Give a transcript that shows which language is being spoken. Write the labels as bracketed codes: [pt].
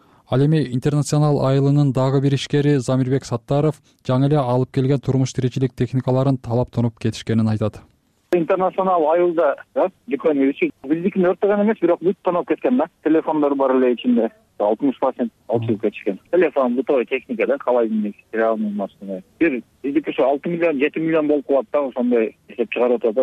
[ky] Ал эми интернационал айылынын дагы бир ишкери Замирбек Саттаров жаңы эле алып келген турмуш тиричилик техникаларын талап тонуп кетишкенин айтат. Интернационал айылда дүкөнү ичи биздикин өрттөгөн эмес, бирок бүт тонуп кеткен да. Телефондор бар эле ичинде 60% алчылып кетишкен. [ru] Телефон, бытовой техника да, холодильник, стиральный машина. [ky] Бир биздики ошо 6 миллион, 7 миллион болуп калат да, ошондой эсеп чыгарып атат да.